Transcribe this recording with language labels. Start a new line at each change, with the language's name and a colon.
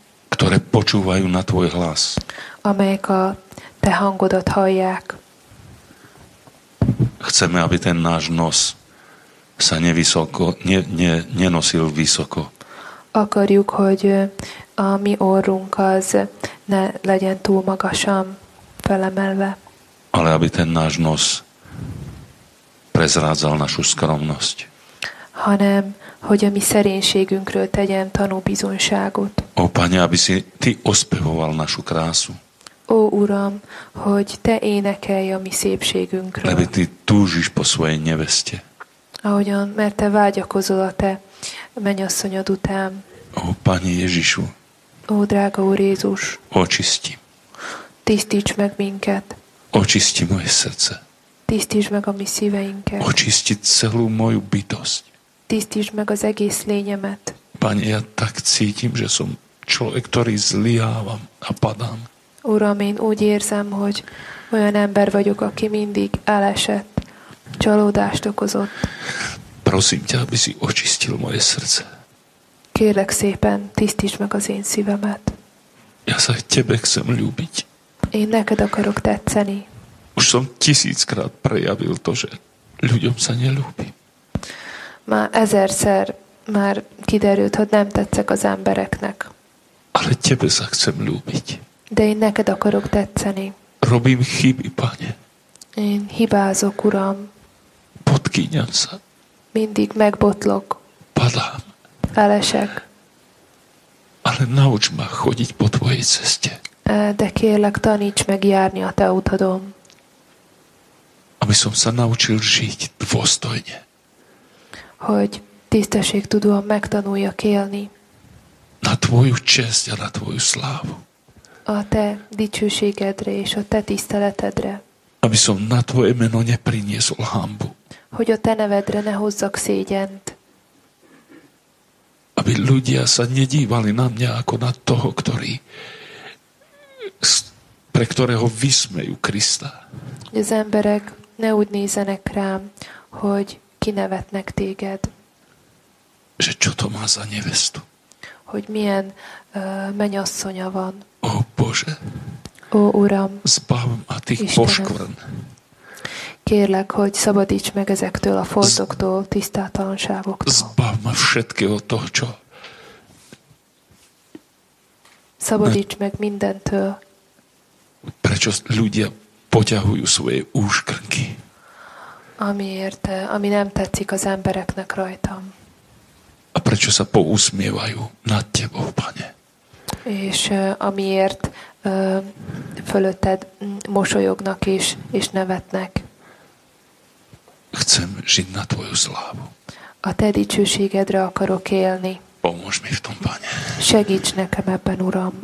Slovak: Ktoré počúvajú na tvoj hlas.
Hungarian: Amelyek a te hangodat hallják.
Slovak: Chceme, aby ten náš nos sa nenosil vysoko.
Hungarian: Akarjuk, hogy a mi orrunk az ne legyen túl magasan felemelve.
Slovak: Ale aby ten náš nos prezrádzal našu skromnosť.
Hungarian: Hanem, hogy a mi szerénységünkről tegyen tanú bizonyságot.
Slovak: Ó, Pane, aby si ty ospevoval našu krásu.
Hungarian: Ó, Uram, hogy te énekelj a mi szépségünkről.
Slovak: Lebo ty túžiš po svojej neveste.
Hungarian: Ahogyan, mert te vágyakozol a te mennyasszonyod után.
Slovak: Ó, Pane Ježišu.
Hungarian: Ó, drága Úr Jézus.
Slovak: Očisti.
Hungarian: Tisztíts meg minket.
Slovak: Očisti moje srdce.
Hungarian: Tisztíts meg a mi szíveinket.
Slovak: Očisti celú moju bytosť.
Hungarian: Tisztíts meg az egész lényemet.
Slovak: Pane, ja tak cítim, že som človek, ktorý zlyhávam a padám.
Hungarian: Uram, én úgy érzem, hogy olyan ember vagyok, aki mindig elesett, csalódást okozott.
Slovak: Prosím ťa, aby si očistil moje srdce.
Hungarian: Kérlek szépen, tisztíts meg az én szívemet.
Slovak: Ja sa tebe chcem ľúbiť.
Hungarian: Én neked akarok tetszeni.
Slovak: Už som tisíckrát prejavil to, že ľuďom sa nelúbim.
Hungarian: Már ezerszer már kiderült, hogy nem tetszek az embereknek.
Slovak: Ale tebe sa chcem ľúbiť.
Hungarian: De én neked akarok tetszeni.
Slovak: Robím chyby, Pane.
Hungarian: Én hibázok, Uram.
Slovak: Podkýňam sa.
Hungarian: Mindig megbotlok.
Slovak: Padám.
Hungarian: Elesek.
Slovak: Ale nauč ma chodiť po tvojej ceste.
Hungarian: De kérlek, taníts meg járni a te utadon.
Slovak: Aby som sa naučil žiť dôstojne.
Hungarian: Hogy tisztességtudóan megtanuljak élni.
Slovak: Na tvoju česť a na tvoju slávu.
Hungarian: A te dicsőségedre és a te tiszteletedre.
Slovak: Aby som na tvoje meno nepriniesol hambu.
Hungarian: Hogy a te nevedre ne hozzak szégyent.
Slovak: Aby ľudia sa nedívali na mňa ako na toho, ktorý pre ktorého vysmejú Krista.
Hungarian: Az emberek ne úgy nézenek rám, hogy kinevetnek téged.
Slovak: Že čo to má za nevestu?
Hungarian: Hogy milyen mennyasszonya van.
Slovak: Ó, Bože.
Hungarian: Ó, Uram, Istenem, kérlek, hogy szabadíts meg ezektől a foltoktól, tisztátalanságoktól.
Slovak: Zbav ma všetkého toho, čo...
Hungarian: Szabadíts meg mindentől.
Slovak: Prečo ľudia poťahujú svoje úškrnky?
Hungarian: Amiért, ami nem tetszik az embereknek rajtam.
Slovak: A prečo sa pousmievajú nad tebou, Pane?
Hungarian: És amiért fölötted mosolyognak is, és nevetnek.
Slovak: Chcem žiť na tvoju slávu.
Hungarian: A te dicsőségedre akarok élni.
Slovak: Pomôž mi v tom, Pane.
Hungarian: Segíts nekem ebben, Uram.